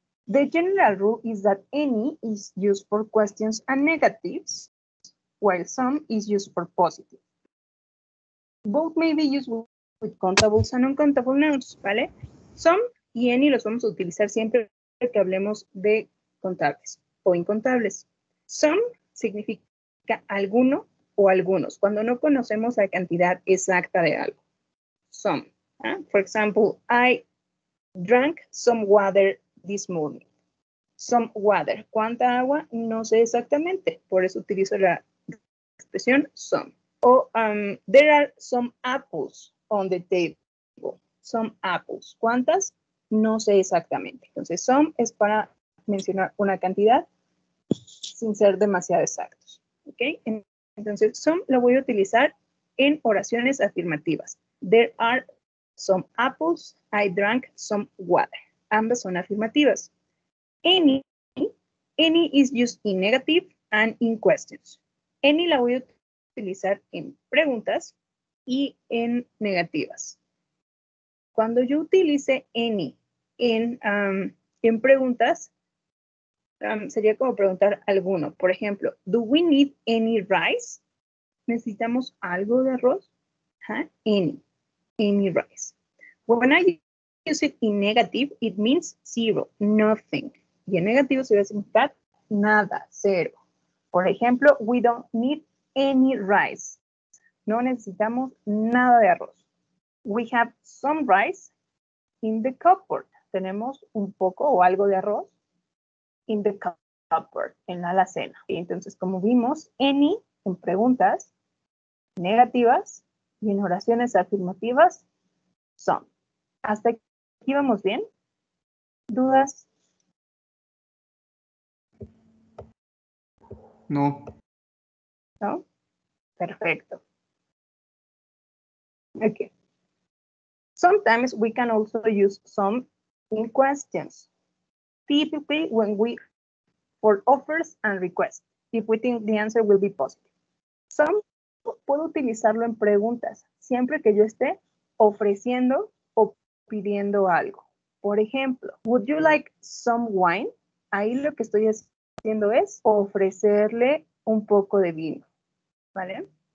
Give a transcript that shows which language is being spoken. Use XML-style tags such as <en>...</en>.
<en>The general rule is that any is used for questions and negatives, while some is used for positive. Both may be used with countables and uncountable nouns,</en> <es>¿vale? Some y any los vamos a utilizar siempre que hablemos de contables o incontables. Some significa alguno o algunos, cuando no conocemos la cantidad exacta de algo. Some.</es> <en>For example, I drank some water this morning. Some water.</en> <es>¿Cuánta agua? No sé exactamente. Por eso utilizo la expresión some.</es> <en>O there are some apples on the table. Some apples.</en> <es>¿Cuántas? No sé exactamente. Entonces, some es para mencionar una cantidad sin ser demasiado exactos. ¿Okay? Entonces, some lo voy a utilizar en oraciones afirmativas.</es> <en>There are some apples. I drank some water.</en> <es>Ambas son afirmativas.</es> <en>Any is used in negative and in questions.</en> <es>Any la voy a utilizar en preguntas y en negativas. Cuando yo utilice any en preguntas, sería como preguntar alguno. Por ejemplo,</es> <en>do we need any rice?</en> <es>¿Necesitamos algo de arroz? ¿Huh?</es> <en>Any rice. When I use it in negative, it means zero, nothing.</en> <es>Y en negativo se va a significar nada, cero. Por ejemplo,</es> <en>we don't need any rice.</en> <es>No necesitamos nada de arroz.</es> <en>We have some rice in the cupboard.</en> <es>Tenemos un poco o algo de arroz</es> <en>in the cupboard,</en> <es>en la alacena. Y entonces, como vimos, any en preguntas negativas y en oraciones afirmativas, some. ¿Hasta aquí vamos bien? ¿Dudas? No. ¿No? Perfecto.</es> <en>Okay. Sometimes we can also use some in questions. Typically when we for offers and requests, if we think the answer will be positive.</en> <es>Some puedo utilizarlo en preguntas, siempre que yo esté ofreciendo o pidiendo algo. Por ejemplo,</es> <en>would you like some wine?</en> <es>Ahí lo que estoy haciendo es ofrecerle un poco de vino, ¿vale?</es>